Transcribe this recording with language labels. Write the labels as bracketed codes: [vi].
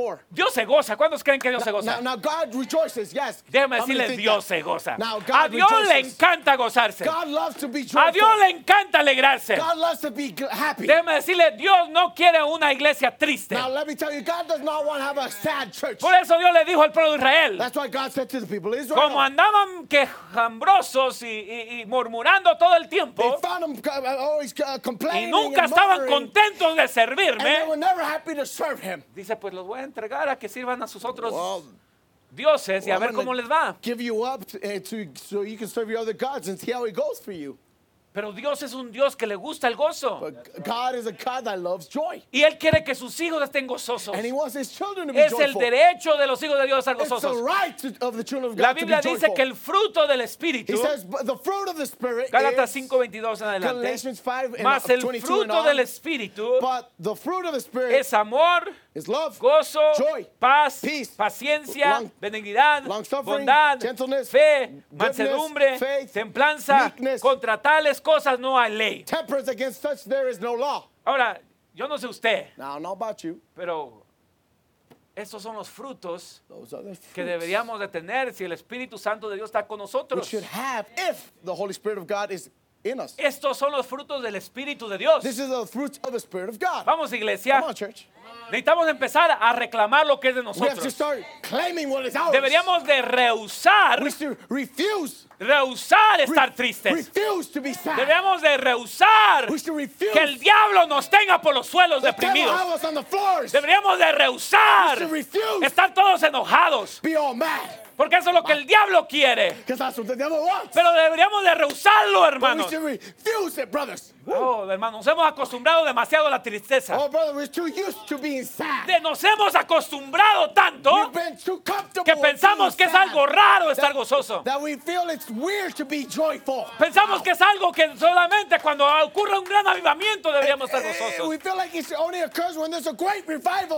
[es] Dios se goza. ¿Cuántos creen que Dios se goza? Déjame decirles, Dios se goza. A Dios le encanta encanta gozarse. [en] God loves to be [es] joyful. A Dios le encanta alegrarse. [en] God loves to be happy. [es] Déjame decirle, Dios no quiere una iglesia triste. [en] Now let me tell you, God does not want to have a sad church. [es] Por eso Dios le dijo al pueblo de Israel. [en] That's why God said to the people of Israel. [es] Como andaban quejambrosos y murmurando todo el tiempo. [en] They found them always complaining. [es] Y nunca estaban contentos de servirme. [en] And they were never happy to serve him. [es] Dice, pues los voy a entregar a que sirvan a sus otros. Dioses, y a ver cómo les va. [en] Give you up so you can serve your other gods and see how it goes for you. [es] Pero Dios es un Dios que le gusta el gozo. [en] But God is a God that loves joy. [es] Y él quiere que sus hijos estén gozosos. [en] And he wants his children to be [es] es [en] joyful. [es] Es el derecho de los hijos de Dios a estar gozosos. [en] It's the right of the children of God to be joyful. [es] La Biblia dice que el fruto del Espíritu. [en] He says the fruit of the Spirit. [es] Galatas 5:22 en adelante. [en] Galatians 5:22. [es] Más el fruto del Espíritu. [en] But the fruit of the Spirit [es] es amor. [en] Is love, [es] gozo, [en] joy, [es] paz, [en] peace, [es] paciencia, benignidad, bondad, [en] gentleness, [es] fe, [en] goodness, [es] mansedumbre, [en] faith, [es] templanza. [en] Meekness. [es] Contra tales cosas no hay ley. [en] Temperance against such there is no law. [es] Ahora, yo no sé usted, [en] now, not about you, [es] pero estos son los frutos que deberíamos de tener si el Espíritu Santo de Dios está con nosotros. [en] We should have if the Holy Spirit of God is in us. [es] Estos son los frutos del Espíritu de Dios. [en] This is the fruits of the Spirit of God. [es] Vamos, iglesia. [en] Come on, church. [es] Necesitamos empezar a reclamar lo que es de nosotros. [en] We have to start claiming what is ours. [es] Deberíamos de rehusar. [en] We should refuse. [es] Rehusar estar tristes. [en] Refuse to be sad. [es] Deberíamos de rehusar. [en] We should refuse. [es] Que el diablo nos tenga por los suelos [en] the [es] deprimidos. [en] Devil have us on the floors. [es] Deberíamos de rehusar. [en] We should refuse. [es] Estar todos enojados. [en] Be all mad. [es] Porque eso es lo que el diablo quiere. Pero deberíamos de rehusarlo, hermanos. [en] But we should refuse it, brothers. [es] Oh, hermanos, nos hemos acostumbrado demasiado a la tristeza. [en] Oh, brother, we're too used to being sad. [es] Nos hemos acostumbrado tanto que pensamos que es algo raro estar gozoso. [en] That we feel it's weird to be joyful. [es] Pensamos que es algo que solamente cuando ocurre un gran avivamiento deberíamos estar gozosos. [en] We feel like it only occurs when there's a great revival.